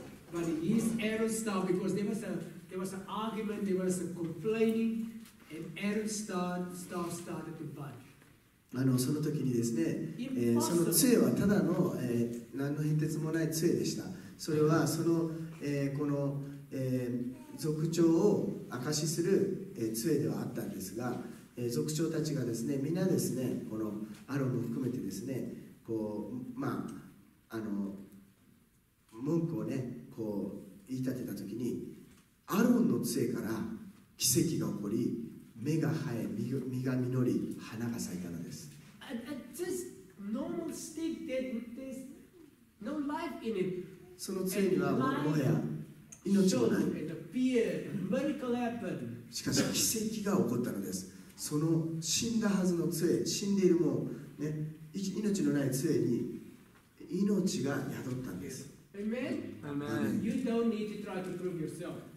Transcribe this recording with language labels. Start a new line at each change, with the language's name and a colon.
English: But it is Aaron's staff because there was an argument, there was a complaining, and Aaron's staff started to budge.
Japanese: あのその時にですね、その杖はただの、何の変哲もない杖でした。それはその、この、族長を証しする、杖ではあったんですが、族長たちがですね、みんなですね、このアロンも含めてですね、こうまああの。文句をね、こう言い立てた時にアロンの杖から奇跡が起こり目が生え、実が実り、花が咲いたのです。
English: a normal stick that there's no life in it.
Japanese: その杖には もはや命もない。
English: appeared,
Japanese: しかし奇跡が起こったのです。その死んだはずの杖、死んでいるもね、命のない杖に命が宿ったんです。
English: Amen. You don't need to try to prove yourself.